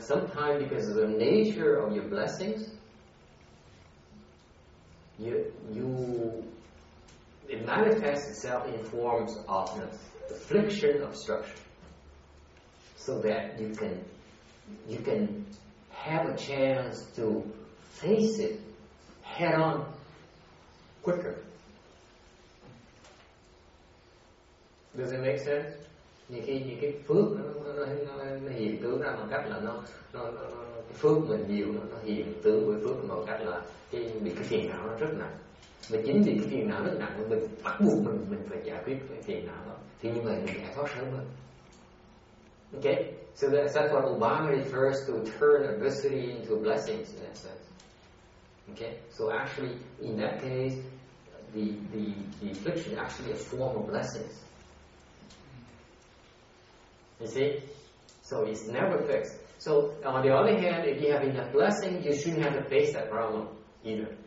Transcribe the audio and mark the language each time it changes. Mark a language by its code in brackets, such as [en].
[en] Sometimes because of the nature of your blessings, you it manifests itself in forms of affliction, obstruction, so that you can have a chance to face it head on quicker. Does it make sense? [vi] Nhiều khi những cái phước nó hiện tướng ra bằng cách là nó phước mình nhiều, nó hiện tướng với phước bằng cách là bị cái phiền não nó rất nặng. Mà chính vì cái phiền não rất nặng, mình bắt buộc mình phải giải quyết cái phiền não đó, thì như vậy mình giải thoát sớm hơn. [en] Ok, so that's what Obama refers to, turn adversity into blessings in that sense. Ok, so actually in that case the affliction actually a form of blessings. You see? So it's never fixed. So on the other hand, if you have enough blessing, you shouldn't have to face that problem either.